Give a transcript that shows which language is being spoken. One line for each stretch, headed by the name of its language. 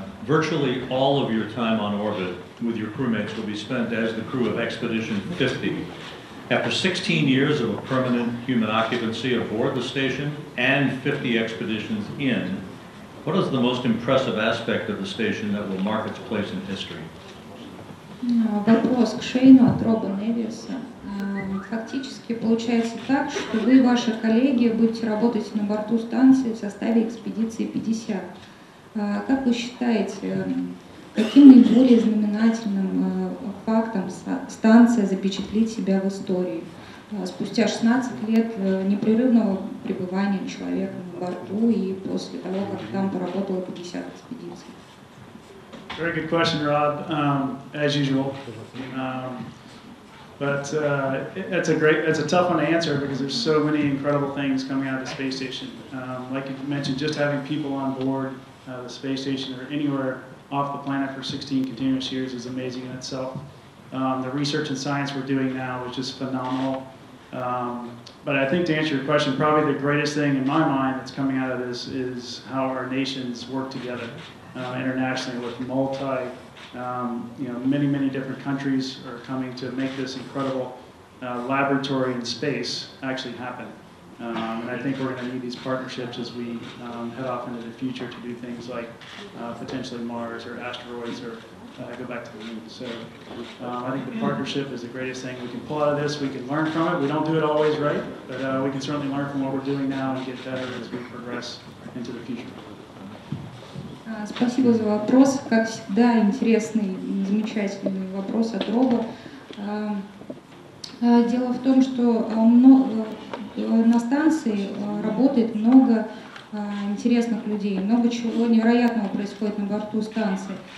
English: Virtually all of your time on orbit with your crewmates will be spent as the crew of Expedition 50. After 16 years of a permanent human occupancy aboard the station and 50 expeditions in, what is the most impressive aspect of the station that will mark its place in history?
Russian: Вопрос к Шейну от Роба Невиса. Фактически получается так, что вы и ваши коллеги будете работать на борту станции в составе экспедиции 50. Как вы считаете, каким наиболее знаменательным фактом станция запечатлит себя в истории спустя 16 лет непрерывного пребывания человека на борту и после того, как там поработало 50 экспедиций?
English: Very good question, Rob. As usual, but it's a tough one to answer because there's so many incredible things coming out of the space station. Like you mentioned, just having people on board the space station or anywhere off the planet for 16 continuous years is amazing in itself. The research and science we're doing now is just phenomenal. But I think to answer your question, probably the greatest thing in my mind that's coming out of this is how our nations work together internationally with multi, many, many different countries are coming to make this incredible laboratory in space actually happen. And I think we're going to need these partnerships as we head off into the future to do things like potentially Mars or asteroids or go back to the moon. So I think the partnership is the greatest thing we can pull out of this. We can learn from it. We don't do it always right, but we can certainly learn from what we're doing now and get better as we progress into the future.
Russian: Спасибо за вопрос. Как всегда, интересный, замечательный вопрос от Роба. Дело в том, что на станции работает много интересных людей, много чего невероятного происходит на борту станции.